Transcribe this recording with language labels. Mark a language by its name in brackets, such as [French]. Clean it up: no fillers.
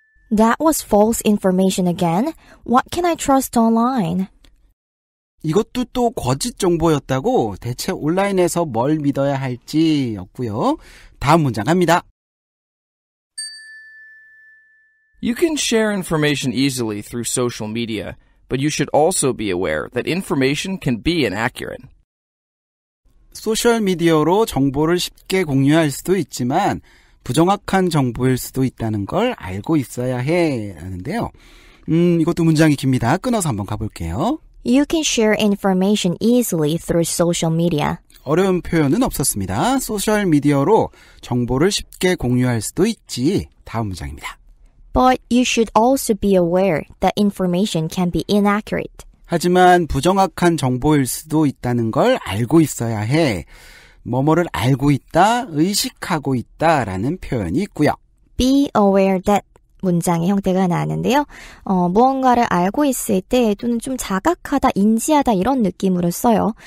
[English] That was false information again. What can I trust online? [Korean] 이것도 또 거짓 정보였다고? 대체 온라인에서 뭘 믿어야 할지 였고요. 다음 문장 갑니다. [English] You can share information easily through social media, but you should also be aware that information can be inaccurate. [Korean] 소셜미디어로 정보를 쉽게 공유할 수도 있지만 부정확한 정보일 수도 있다는 걸 알고 있어야 해 라는데요. 이것도 문장이 깁니다. 끊어서 한번 가볼게요. [English] You can share information easily through social media. [Korean] 어려운 표현은 없었습니다. 소셜미디어로 정보를 쉽게 공유할 수도 있지. 다음 문장입니다. [English] But you should also be aware that information can be inaccurate. [Korean] 하지만 부정확한 정보일 수도 있다는 걸 알고 있어야 해. 뭐뭐를 알고 있다, 의식하고 있다 라는 표현이 있고요. Be aware that 문장의 형태가 나왔는데요. 무언가를 알고 있을 때 또는 좀 자각하다, 인지하다 이런 느낌으로 써요.